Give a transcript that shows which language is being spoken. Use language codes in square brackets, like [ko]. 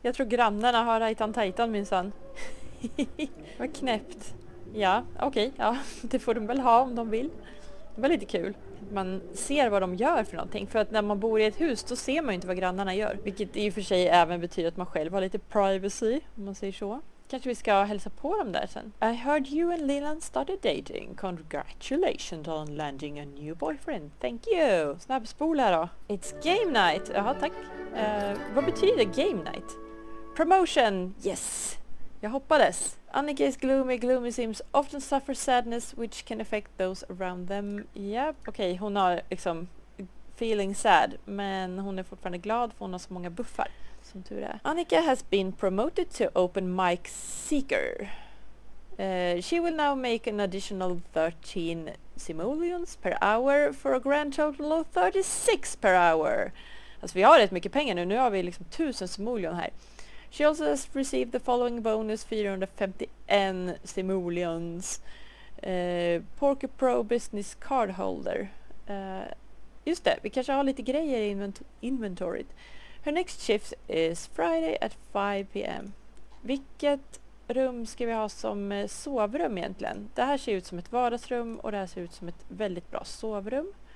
[sv] Jag tror grannarna har Rajtan Tajtan minsann. Vad knäppt. Ja, okej. Okay, ja. Det får de väl ha om de vill. Det var lite kul. Man ser vad de gör för någonting. För att när man bor i ett hus då ser man ju inte vad grannarna gör. Vilket i och för sig även betyder att man själv har lite privacy. Om man säger så. Kanske vi ska hälsa på dem där sen. [en] I heard you and Leland started dating. Congratulations on landing a new boyfriend. Thank you. [sv] Snabb spola då. [en] It's game night. [sv] Jaha, tack. Vad betyder [en] game night? Promotion. Yes. [sv] Jag hoppades. [en] Annika is gloomy. Gloomy sims often suffer sadness which can affect those around them. [sv] Yep. Okej, okay, hon har liksom [en] feeling sad. [sv] Men hon är fortfarande glad för hon har så många buffar. Som tur är. [en] Annika has been promoted to open mic seeker. She will now make an additional 13 simoleons per hour for a grand total of 36 per hour. [sv] Alltså vi har rätt mycket pengar nu. Nu har vi liksom 1000 simoleon här. [en] She also has received the following bonus 451 simoleons. Porker Pro business card holder. [sv] Just det, vi kanske har lite grejer i inventoriet. [en] Her next shift is Friday at 5 p.m. [sv] Vilket rum ska vi ha som sovrum egentligen? Det här ser ut som ett vardagsrum och det här ser ut som ett väldigt bra sovrum.